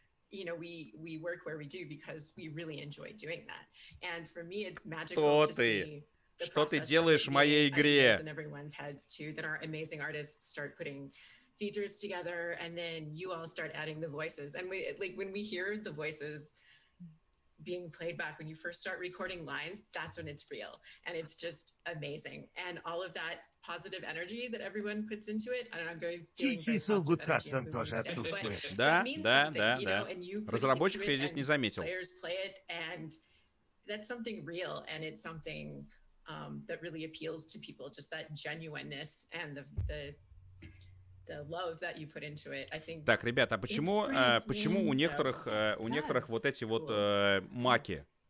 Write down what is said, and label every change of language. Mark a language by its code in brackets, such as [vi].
[en] You know, we work where we do because we really enjoy doing that. And for me, it's magical to see. [ru] Что ты делаешь в моей игре? [en] Being played back when you first start recording lines, that's when it's real. And it's just amazing. And all of that positive energy that everyone puts into it, I don't know, I'm very feeling good person [ru] тоже отсутствует. Да, да, да, да. Разработчиков я здесь не заметил. [en] Players play it, and that's something real, and it's something that really appeals to people, just that genuineness and the love that you put into it. I think. [ru] Так, ребята, а почему почему у некоторых у некоторых вот эти вот маки?